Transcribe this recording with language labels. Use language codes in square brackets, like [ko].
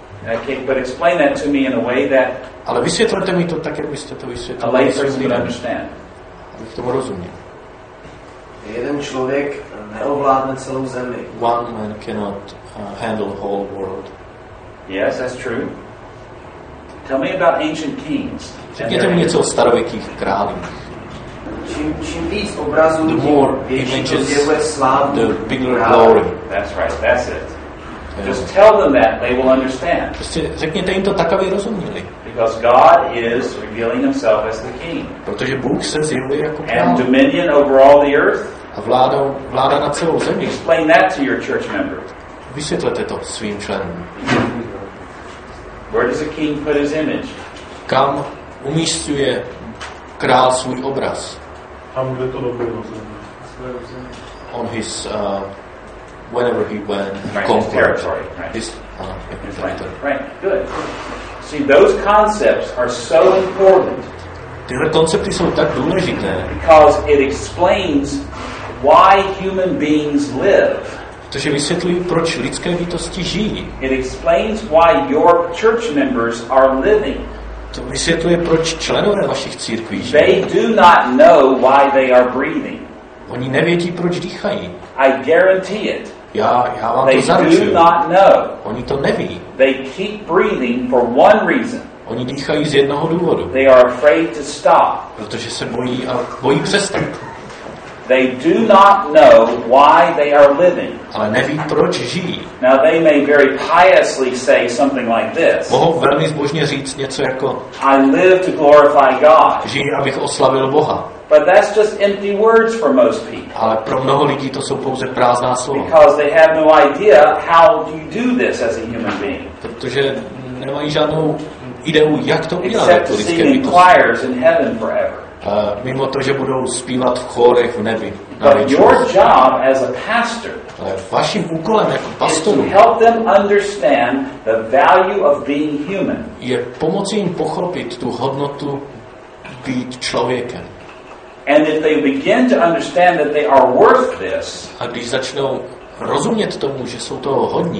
[en] Okay, but explain that to me in a way that [cs] ale vysvětlete mi to tak, jak byste to vysvětlili. [en] A layperson would understand. [cs] Abych tomu rozuměl. Jeden člověk neovládne celou zemi. [en] One man cannot handle the whole world. Yes, that's true. Tell me about ancient kings. [cs] Řekněte mi něco o starověkých králích. Čím víc obrazů, tím větší zjevuje slávu. [en] The bigger glory. That's right, that's it. Just tell them that, they will understand. [cs] Prostě řekněte jim to tak, aby rozuměli. [en] Because God is revealing himself as the king. [cs] Protože Bůh se zjevuje jako král. [en] And dominion over all the earth. [cs] A vláda na celou zemi. [en] Explain that to your church member. [cs] Vysvětlete to svým členům. [en] Where does a king put his image? [cs] Kam umístuje král svůj obraz? Tam, kde to dobře rozumí. [en] On his whenever he went, right, territory, right. His territory. Right, good. See, those concepts are so important. [cs] Tyhle koncepty jsou tak důležité. [en] Because it explains why human beings live. [cs] Protože vysvětlují, proč lidské bytosti žijí. [en] It explains why your church members are living. [cs] To vysvětluje, proč členové vašich církví žijí. [en] They do not know why they are breathing. [cs] Oni nevědí, proč dýchají. [en] I guarantee it. [cs] Já vám [en] they [cs] to zaručuju. [en] They do not know. [cs] Oni to neví. [en] They keep breathing for one reason. [cs] Oni dýchají z jednoho důvodu. [en] They are afraid to stop. [cs] Protože se bojí přestat. [en] They do not know why they are living. [cs] Ale neví, proč žijí. [en] Now they may very piously say something like this. [cs] Mohou velmi zbožně říct něco jako [en] I live to glorify God. [cs] Žijí, abych oslavil Boha. [en] But that's just empty words for most people. [cs] Ale pro mnoho lidí to jsou pouze prázdná slova. [en] Because they have no idea how you do this as a human being. [cs] Protože nemají žádnou ideu, jak to udělat. [en] Except to sing in choirs in heaven forever. [cs] Mimo to, že budou zpívat v chórech v nebi. [en] But your job as a pastor, [cs] ale vaším úkolem jako pastoru, [en] is to help them understand the value of being human. [cs] Je pomoci jim pochopit tu hodnotu být člověkem. [en] And if they begin to understand that they are worth this, [cs] a když začnou rozumět tomu, že jsou toho hodní,